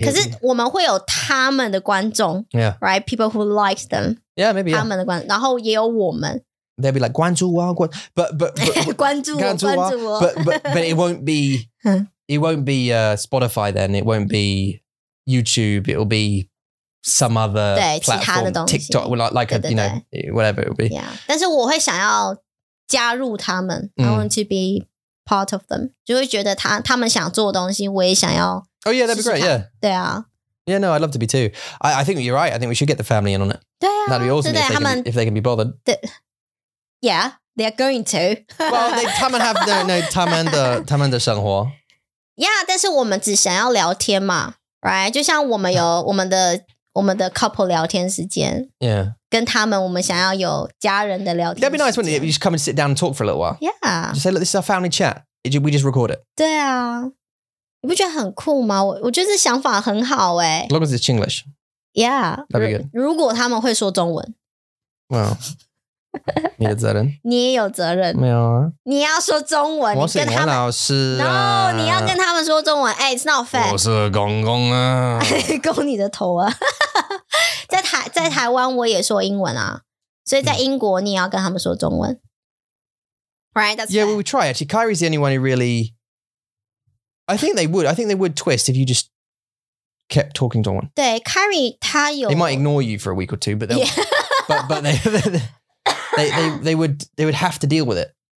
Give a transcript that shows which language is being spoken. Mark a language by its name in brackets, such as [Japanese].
[Chinese] 可是我们会有他们的观众, [English] yeah. Right? People who like them. Yeah, maybe, yeah. [Chinese] 他们的观众,然后也有我们. [English] They'll be like, [Chinese] 关注我, [English] but [Chinese] 关注我, 关注我, [English] but it won't be, it won't be Spotify then. It won't be YouTube. It'll be some other [Chinese] 对, [English] platform, TikTok, like a, you know, whatever it'll be. [Chinese] Yeah, 但是我会想要 加入他们, [English] I want to be part of them. [Chinese] 就会觉得他们想做的东西, 我也想要试试看。 [English] Oh yeah, that'd be great, yeah. [Chinese] 对啊。 [English] Yeah, no, I'd love to be too. I think you're right. I think we should get the family in on it. [Chinese] 对啊, [English] that'd be awesome [Chinese] 对对, [English] if they can be bothered. [Chinese] 对, [English] yeah, they're going to. Well, they, 他们 have, no, no, 他们的, [Chinese] 他们的生活。 Yeah, 但是我们只想要聊天嘛, [English] right? [Chinese] 就像我们有, 我们的, 我们的 couple 聊天时间。 [English] Yeah. [Chinese] 跟他们我们想要有家人的聊天. [English] That'd be nice, wouldn't it? You just come and sit down and talk for a little while. Yeah. Just say, look, this is our family chat. We just record it. [Chinese] 对啊.你不觉得很酷吗?我觉得这想法很好耶. [English] As long as it's English. Yeah. That'd be good. [Chinese] 如果他们会说中文. Well, 你有责任. 你也有责任. 没有啊. 你要说中文. 我是英文老师啊. 跟他们, [English] no, [Chinese] 你要跟他们说中文. [English] 哎, it's not fair. [Chinese] 我是公公啊. 公你的头啊. 在台湾我也说英文啊, 所以在英国你也要跟他们说中文, [English] right? That's yeah, fair. We would try. Actually, Kyrie's the only one who really, I think they would twist if you just kept talking to one. [Chinese] 对, Kyrie他有, [English] they might ignore you for a week or two, but they'll, yeah. but they would have to deal with it.